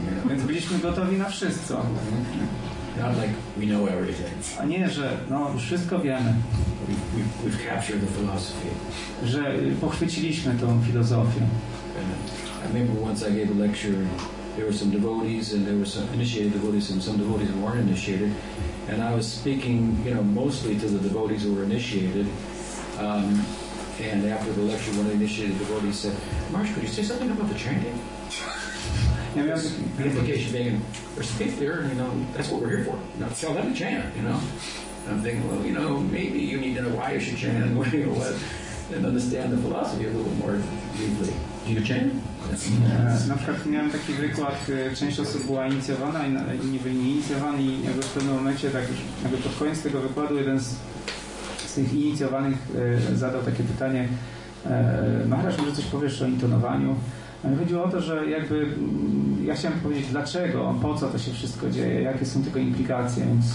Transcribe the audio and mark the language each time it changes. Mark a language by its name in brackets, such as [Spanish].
[Polish] Więc byliśmy gotowi na wszystko. [English] Not like we know everything. [Polish] A nie, że no już wszystko wiemy. [English] We've captured the philosophy. [Polish] Że pochwyciliśmy tą filozofię. [English] And I remember once I gave a lecture and there were some devotees and there were some initiated devotees and some devotees who weren't initiated. And I was speaking, you know, mostly to the devotees who were initiated. And after the lecture one of the initiated devotees said, Marsh, could you say something about the chanting? [Polish] Ja miałem [English] implication being there's faith there, you know, that's what we're here for. Now tell them to chant, you know. And I'm thinking, well, you know, maybe you need to know why you should chant and what you want and understand the philosophy a little more deeply. Do you chant? [Polish] Na przykład miałem taki wykład, część osób była inicjowana i niby nieinicjowana i jakby w pewnym momencie tak już jakby pod koniec tego wykładu jeden z tych inicjowanych zadał takie pytanie. Maharaj, może coś powiesz o intonowaniu? Chodziło o to, że jakby ja chciałem powiedzieć dlaczego, po co to się wszystko dzieje, jakie są tego implikacje.